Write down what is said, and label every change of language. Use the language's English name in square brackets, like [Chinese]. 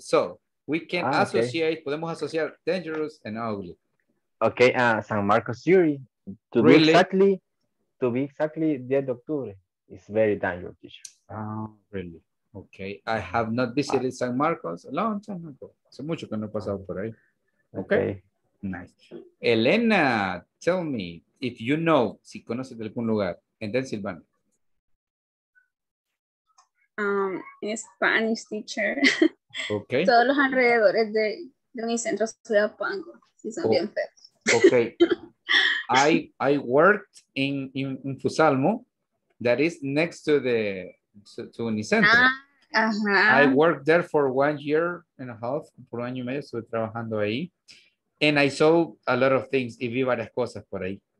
[English] So we can associate, [Spanish] podemos asociar [English] dangerous and ugly. Okay, San Marcos City. To really? To be exactly, 10 de octubre. It's very dangerous. Oh, really? Okay. I have not visited San Marcos a long time ago. [Spanish] Hace mucho que no he pasado por ahí. [English] Okay. Nice. Elena, tell me if you know, [Spanish] si conoces de algún lugar. [English] And then Silvana. Spanish teacher. Okay. [Spanish] Todos los alrededores de mi centro de Apango, si son bien feos. [English] Okay. I worked in Fusalmo, that is next to the to Unicentro. Uh-huh. I worked there for 1 year and a half, [Spanish] por año y medio, estuve trabajando ahí. [English] And I saw a lot of things, [Spanish] y vi varias cosas por ahí.